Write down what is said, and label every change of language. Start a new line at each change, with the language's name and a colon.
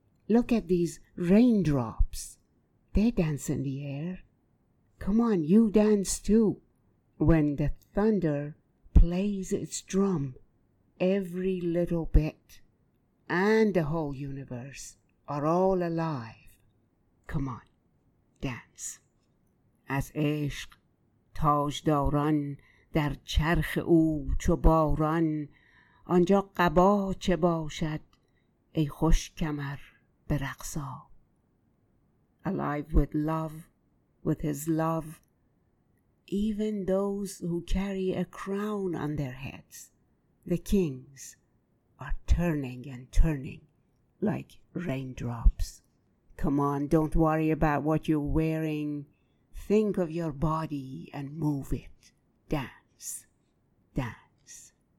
English: Look at these raindrops. They dance in the air. Come on, you dance too. When the thunder plays its drum, every little bit and the whole universe are all alive. Come on, dance.
Persian: As عشق تاج داران در چرخ او چو باران آنجا قبا چه باشد ای خوش کمر به رقصا.
English: Alive with love, with his love, even those who carry a crown on their heads, the kings, are turning and turning like raindrops. Come on, don't worry about what you're wearing. Think of your body and move it. Dance. Dance.